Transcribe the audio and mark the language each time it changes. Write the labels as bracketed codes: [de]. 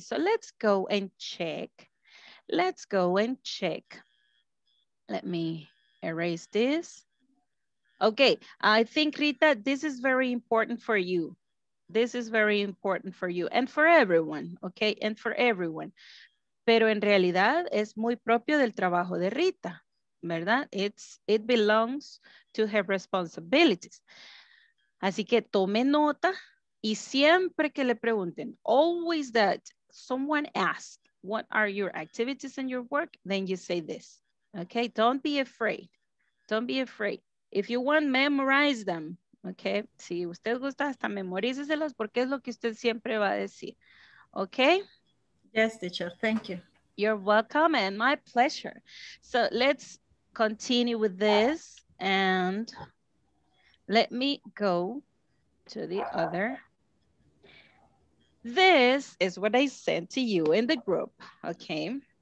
[en] So let's go and check. Let me erase this. Okay, I think Rita, this is very important for you. This is very important for you and for everyone, okay? And for everyone. [es] Pero en realidad es muy propio del trabajo de Rita, ¿verdad? [en] It belongs to her responsibilities. [es] Así que tome nota y siempre que le pregunten, [en] always that someone asks, what are your activities and your work? Then you say this, okay? Don't be afraid. Don't be afraid. If you want, memorize them. Okay. [es] Si usted gusta, hasta memorícelos porque es lo que usted siempre va a decir. [en] Okay. Yes, teacher. Thank you. You're welcome and my pleasure. So let's continue with this and let me go to the other. This is what I sent to you in the group. Okay.